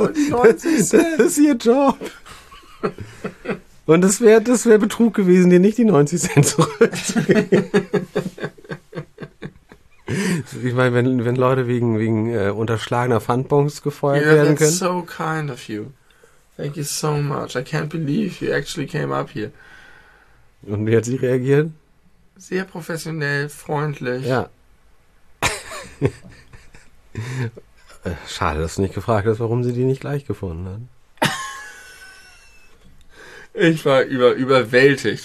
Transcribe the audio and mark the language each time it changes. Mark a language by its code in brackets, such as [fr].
[de] 90 Cent. Das ist ihr Job. Und das wär Betrug gewesen, dir nicht die 90 Cent zurückzugeben. Ich meine, wenn Leute wegen unterschlagener Pfandbons gefeuert werden können. [en] That's so kind of you. Thank you so much. I can't believe you actually came up here. [de] Und wie hat sie reagiert? Sehr professionell, freundlich. Ja. Schade, dass du nicht gefragt hast, warum sie die nicht gleich gefunden hat. Ich war überwältigt.